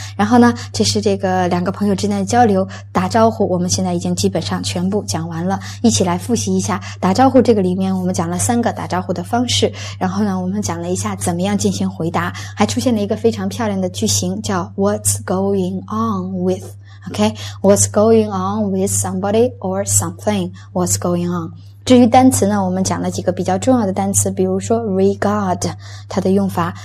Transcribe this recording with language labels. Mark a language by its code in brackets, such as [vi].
[zh] 然后呢，这是这个两个朋友之间的交流，打招呼。我们现在已经基本上全部讲完了，一起来复习一下打招呼。这个里面我们讲了三个打招呼的方式，然后呢，我们讲了一下怎么样进行回答，还出现了一个非常漂亮的句型，叫 [en] What's going on with？ Okay, what's going on with somebody or something? What's going on? [zh] 至于单词呢，我们讲了几个比较重要的单词，比如说 regard, 它的用法。